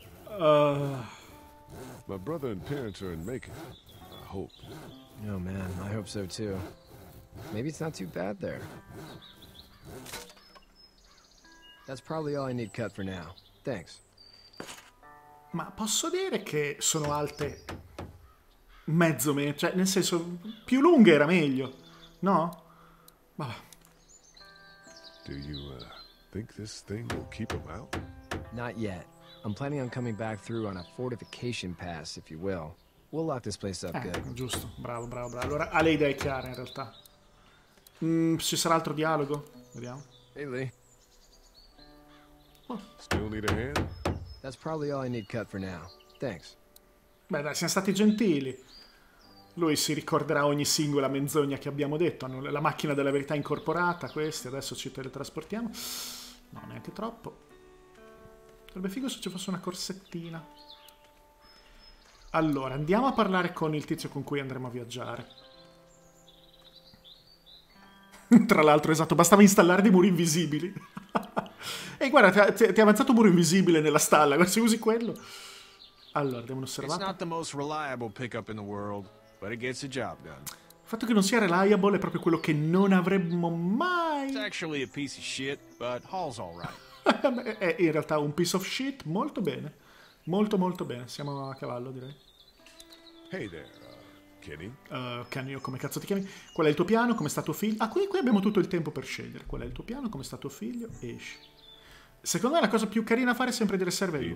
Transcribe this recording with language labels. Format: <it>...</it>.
<en>My brother and parents are in Macon, I hope. Oh man, I hope so too. Maybe it's not too bad there. That's probably all I need cut for now. Thanks.</en> <it>Ma posso dire che sono alte mezzo metro, cioè nel senso più lunghe era meglio, no? Vabbè.</it> <en>Do you think this thing will keep them out? Not yet. I'm planning on coming back through on a fortification pass, if you will. We'll lock this place up good.</en> <it>Giusto, bravo, bravo, bravo. Allora ha le idee chiare in realtà. Ci sarà altro dialogo? Vediamo.</it> <en>Hey Lee. Oh. Still need a hand? That's probably all I need cut for now. Thanks.</en> <it>Beh, dai, siamo stati gentili. Lui si ricorderà ogni singola menzogna che abbiamo detto. Hanno la macchina della verità incorporata, questi. Adesso ci teletrasportiamo. No, neanche troppo. Sarebbe figo se ci fosse una corsettina. Allora, andiamo a parlare con il tizio con cui andremo a viaggiare. Tra l'altro, esatto, bastava installare dei muri invisibili. E guarda, ti è avanzato un muro invisibile nella stalla, se usi quello. Allora, devo osservare.</it> <en>It's not the most reliable pickup in the world, but it gets the job done.</en> <it>Il fatto che non sia reliable è proprio quello che non avremmo mai.</it> <en>It's actually a piece of shit, but Hall's all right.</en> <it>È in realtà un</it> <en>piece of shit,</en> <it>molto bene. Molto molto bene, siamo a cavallo, direi.</it> <en>Hey there, Kenny.</en> <it>Kenny, o come cazzo ti chiami? Qual è il tuo piano? Come sta tuo figlio? Ah, qui abbiamo tutto il tempo per scegliere. Qual è il tuo piano? Come sta tuo figlio? Esci. Secondo me la cosa più carina a fare è sempre dire serve aiuto.</it>